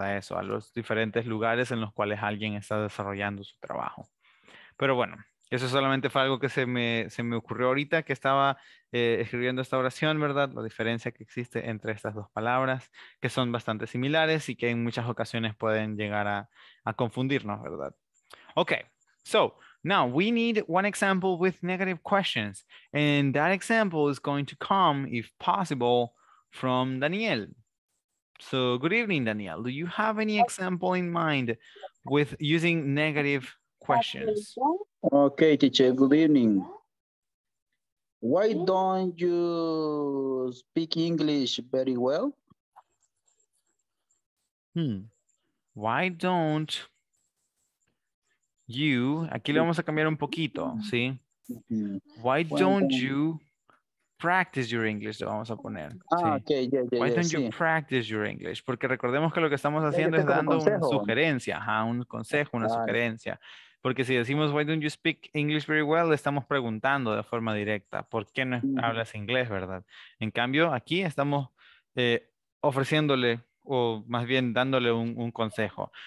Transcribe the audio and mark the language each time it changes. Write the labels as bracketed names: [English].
[Spanish] A eso, a los diferentes lugares en los cuales alguien está desarrollando su trabajo. Pero bueno, eso solamente fue algo que se me ocurrió ahorita que estaba escribiendo esta oración, ¿verdad? La diferencia que existe entre estas dos palabras, que son bastante similares y que en muchas ocasiones pueden llegar a confundirnos, ¿verdad? [English] Okay, so now we need one example with negative questions. And that example is going to come, if possible, from Daniel. So good evening, Daniel. Do you have any example in mind with using negative questions? Okay, teacher, good evening. Why don't you speak English very well? Why don't you, [Spanish] aquí le vamos a cambiar un poquito, ¿sí? [English] Why don't you practice your English, [Spanish] lo vamos a poner. Ah, sí. Okay, yeah, [English] why don't yeah, you [Spanish] sí. [English] practice your English? [Spanish] Porque recordemos que lo que estamos haciendo es dando una sugerencia, ajá, un consejo, una sugerencia. Porque si decimos, [English] why don't you speak English very well, [Spanish] le estamos preguntando de forma directa, ¿por qué no hablas inglés, verdad? En cambio, aquí estamos ofreciéndole, o más bien dándole un consejo.